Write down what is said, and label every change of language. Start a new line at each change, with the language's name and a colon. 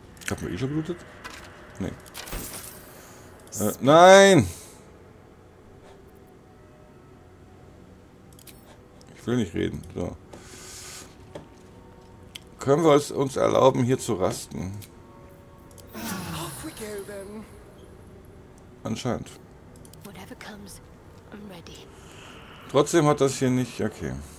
German: Hat man eh schon gelootet? Ne. Nein! Ich will nicht reden. So. Können wir es uns erlauben, hier zu rasten?
English: Off we go then.
German: Anscheinend.
English: Whatever comes, I'm ready.
German: Trotzdem hat das hier nicht. Okay.